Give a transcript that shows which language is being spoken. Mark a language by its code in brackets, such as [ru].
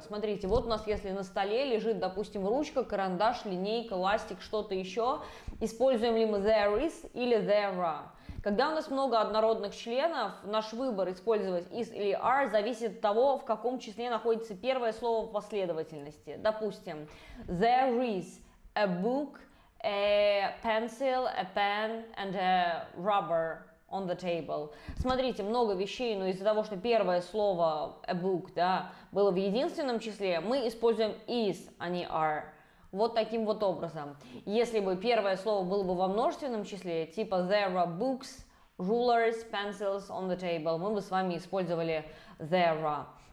[ru] Смотрите, вот у нас если на столе лежит, допустим, ручка, карандаш, линейка, ластик, что-то еще, используем ли мы there is или there are? Когда у нас много однородных членов, наш выбор использовать is или are зависит от того, в каком числе находится первое слово последовательности. Допустим, [en] there is a book, a pencil, a pen and a rubber on the table. [ru] Смотрите, много вещей, но из-за того, что первое слово a book, да, было в единственном числе, мы используем is, а не are. Вот таким вот образом. Если бы первое слово было бы во множественном числе, типа [en] there are books, rulers, pencils on the table, [ru] мы бы с вами использовали there are.